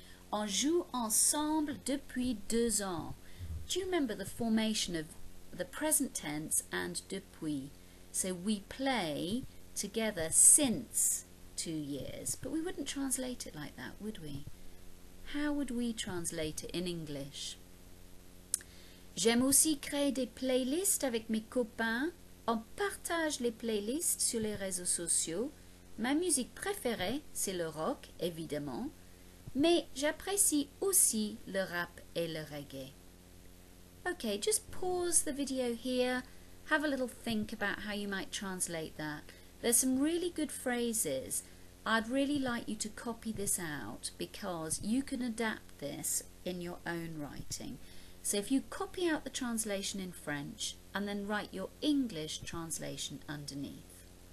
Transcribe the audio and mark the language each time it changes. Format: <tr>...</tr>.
<fr>On joue ensemble depuis 2 ans.</fr> <en>Do you remember the formation of the present tense and depuis? So we play together since 2 years, but we wouldn't translate it like that, would we? How would we translate it in English?</en> <fr>J'aime aussi créer des playlists avec mes copains. On partage les playlists sur les réseaux sociaux. Ma musique préférée, c'est le rock, évidemment. Mais j'apprécie aussi le rap et le reggae.</fr> <en>Okay, just pause the video here. Have a little think about how you might translate that. There's some really good phrases. I'd really like you to copy this out because you can adapt this in your own writing. So if you copy out the translation in French and then write your English translation underneath.</en>